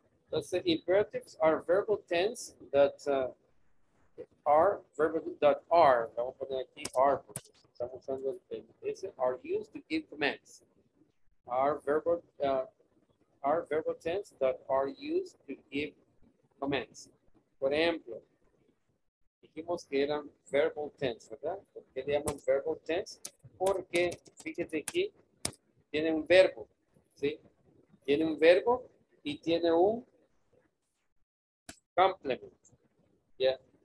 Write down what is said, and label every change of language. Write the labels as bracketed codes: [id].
[en] Let's say imperatives are verbal tense that are. [es] Vamos a poner aquí are, porque estamos usando el tense. [en] Are used to give commands. Are verbal tense that are used to give commands. [es] Por ejemplo, dijimos que eran verbal tense, ¿verdad? ¿Por qué le llaman verbal tense? Porque, fíjate aquí, tiene un verbo, ¿sí? Tiene un verbo y tiene un complement. Yeah.